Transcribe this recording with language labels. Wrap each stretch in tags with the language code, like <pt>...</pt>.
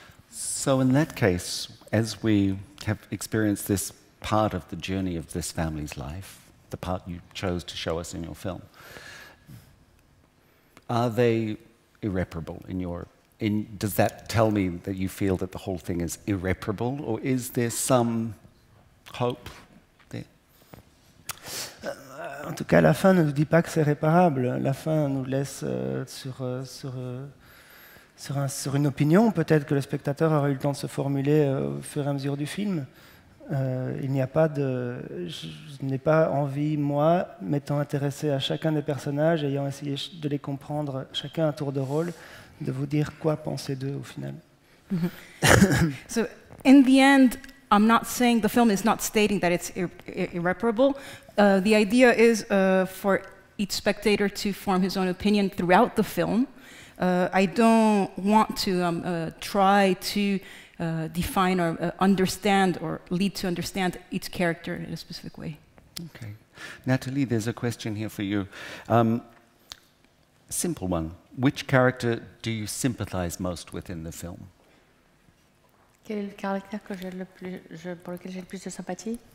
<en>So in that case, as we have experienced this part of the journey of this family's life, the part you chose to show us in your film, are they irreparable in your... Does that tell me that you feel that the whole thing is irreparable, or is there some hope there?</en> <fr>En tout cas, la fin ne nous dit pas que c'est réparable. La fin nous laisse sur une opinion, peut-être que le spectateur aura eu le temps de se formuler au fur et à mesure du film. Il n'y a pas de... Je n'ai pas envie, moi, m'étant intéressé à chacun des personnages, ayant essayé de les comprendre chacun à tour de rôle, de vous dire quoi penser d'eux au final.</fr> <en>Mm-hmm. So, in the end, I'm not saying the film is not stating that it's irreparable. The idea is for each spectator to form his own opinion throughout the film. I don't want to try to define or understand or lead to understand each character in a specific way. Okay. Nathalie, there's a question here for you. Simple one. Which character do you sympathize most with in the film?</en> <fr>Quel est le caractère que j'ai le plus, pour lequel j'ai le plus de sympathie?</fr>